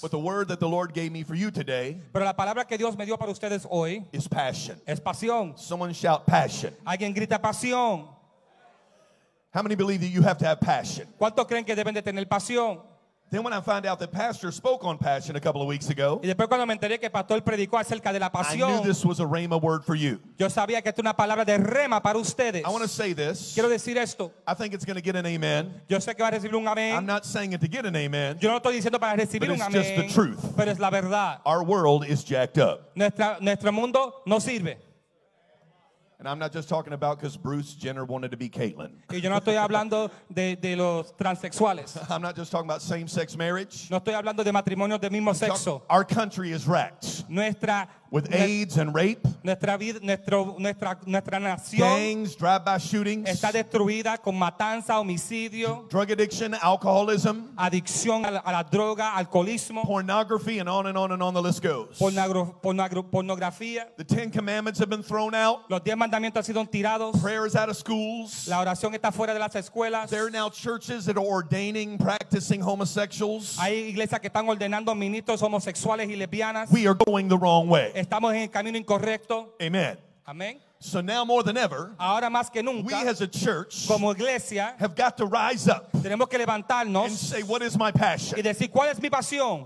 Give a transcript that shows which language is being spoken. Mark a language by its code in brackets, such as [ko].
[en] But the word that the Lord gave me for you today. [es] Pero la palabra que Dios me dio para ustedes hoy. [en] Is passion. [es] Es pasión. [en] Someone shout passion. [es] Alguien grita pasión. [en] How many believe that you have to have passion? [es] ¿Cuántos creen que deben de tener pasión? [en] Then when I found out that pastor spoke on passion a couple of weeks ago. [es] Y después cuando me enteré que pastor predicó acerca de la pasión. [en] I knew this was a rhema word for you. [es] Yo sabía que esto es una palabra de rema para ustedes. [en] I want to say this. [es] Quiero decir esto. [en] I think it's going to get an amen. [es] Yo sé que va a recibir un amén. [en] I'm not saying it to get an amen. [es] Yo no estoy diciendo para recibir un amén. [en] But it's just the truth. [es] Pero es la verdad. [en] Our world is jacked up. [es] Nuestro mundo no sirve. [en] And I'm not just talking about because Bruce Jenner wanted to be Caitlyn. [es] Y yo no estoy hablando de los transexuales. [en] I'm not just talking about same-sex marriage. [es] No estoy hablando de matrimonios de mismo sexo. [en] Our country is wrecked. [es] Nuestra [en] with AIDS and rape. [es] Nuestra vida, nuestra nación. [en] Gangs, drive-by shootings. [es] Está destruida con matanza, homicidio. [en] Drug addiction, alcoholism. [es] Adicción a la droga, alcoholismo. [en] Pornography and on and on and on the list goes. [es] Pornografía. [en] The Ten Commandments have been thrown out. [es] Los diez mandamientos han sido tirados. [en] Prayer is out of schools. [es] La oración está fuera de las escuelas. [en] There are now churches that are ordaining, practicing homosexuals. [es] Hay iglesias que están ordenando ministros homosexuales y lesbianas. [en] We are going the wrong way. [es] Estamos en el camino incorrecto. [en] Amen. [es] Amen. [en] So now more than ever, [es] ahora más que nunca, [en] we as a church [es] como iglesia, [en] have got to rise up [es] tenemos que levantarnos [en] and say, what is my passion? [es] Y decir, ¿cuál es mi pasión?